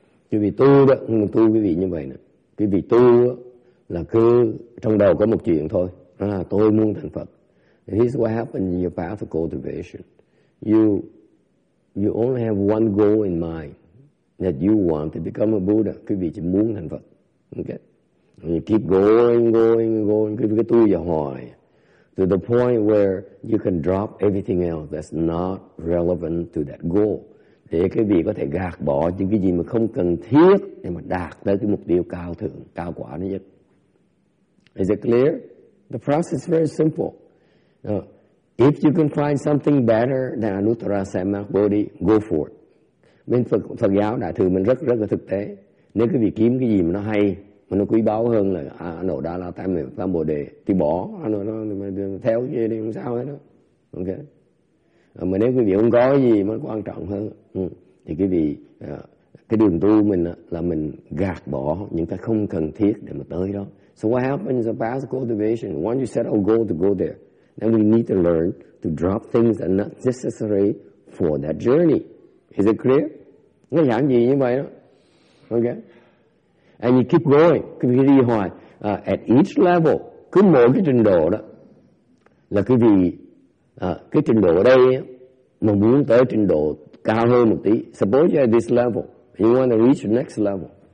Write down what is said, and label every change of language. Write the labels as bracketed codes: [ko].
[vi] Quý vị tu đó, tu quý vị như vậy nè. Quý vị tu là cứ trong đầu có một chuyện thôi, đó là tôi muốn thành Phật. [en] Here's what happens in your path of cultivation. You only have one goal in mind, that you want to become a Buddha. [vi] Quý vị chỉ muốn thành Phật. [en] Okay? And you keep going, [vi] quý vị cứ tu và hoài, [en] to the point where you can drop everything else that's not relevant to that goal. [vi] Để quý vị có thể gạt bỏ những cái gì mà không cần thiết để mà đạt tới cái mục tiêu cao thượng, cao quả nó nhất. [en] Is it clear? The process is very simple. If you can find something better than Anuttara Samyakbodhi, go for it. [vi] Bên Phật giáo Đại Thừa mình rất là thực tế. Nếu quý vị kiếm cái gì mà nó hay, mà nó quý báu hơn là Anuddha là tam miệng tam bồ đề, thì bỏ, theo cái gì đi, không sao hết đó. Okay. Mà nếu quý vị không có gì mới quan trọng hơn, thì quý vị cái đường tu mình là mình gạt bỏ những cái không cần thiết để mà tới đó. [en] So what happens is the path of cultivation. Once you set a goal to go there, then we need to learn to drop things that are not necessary for that journey. Is it clear? [vi] Nó giảng gì như vậy đó. [en] Okay. And you keep going. [vi] Quý vị đi hoài. [en] At each level, [vi] cứ mỗi cái trình độ đó là quý vị cái trình độ ở đây mà muốn tới trình độ cao hơn một tí. [en] Suppose you're at this level, you want to reach the next level.